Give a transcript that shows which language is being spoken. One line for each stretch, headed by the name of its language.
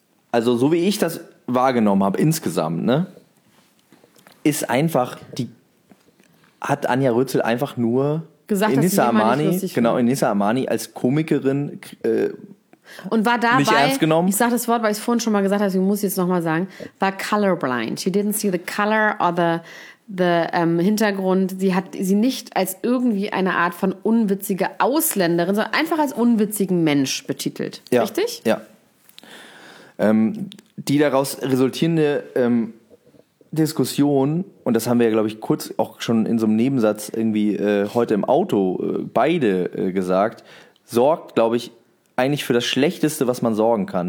German: Also so wie ich das wahrgenommen habe insgesamt, ne, ist einfach hat Anja Rützel einfach nur gesagt, Enissa Amani, Enissa Amani als Komikerin und war dabei, nicht ernst genommen. Ich sage das Wort, weil ich es vorhin schon mal gesagt habe, ich muss jetzt nochmal sagen, war colorblind.
English: She didn't see the color or the
German: Hintergrund. Sie hat sie nicht als irgendwie eine Art von unwitzige Ausländerin, sondern einfach als unwitzigen Mensch betitelt. Ja. Richtig? Ja. Die daraus resultierende Diskussion, und das haben wir ja, glaube ich, kurz auch schon in so einem Nebensatz irgendwie heute im Auto beide gesagt, sorgt, glaube ich, eigentlich für das Schlechteste, was man sorgen kann.